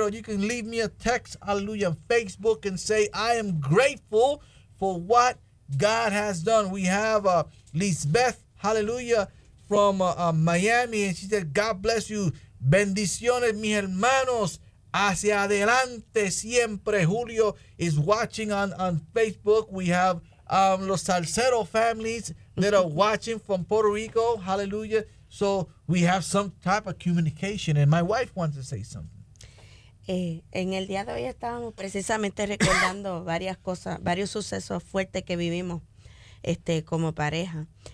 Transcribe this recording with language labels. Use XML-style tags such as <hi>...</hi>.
<en>Or you can leave me a text, hallelujah, on Facebook and say, I am grateful for what God has done. We have Lisbeth, hallelujah, from Miami. And she said, God bless you.</en> <es>Bendiciones, mis hermanos. Hacia adelante siempre.</es> <en>Julio is watching on Facebook. We have Los Salcero families that are watching from Puerto Rico. Hallelujah. So we have some type of communication. And my wife wants to say something.</en> <es>En el día de hoy estábamos precisamente recordando varias cosas, varios sucesos fuertes que vivimos como pareja.</es>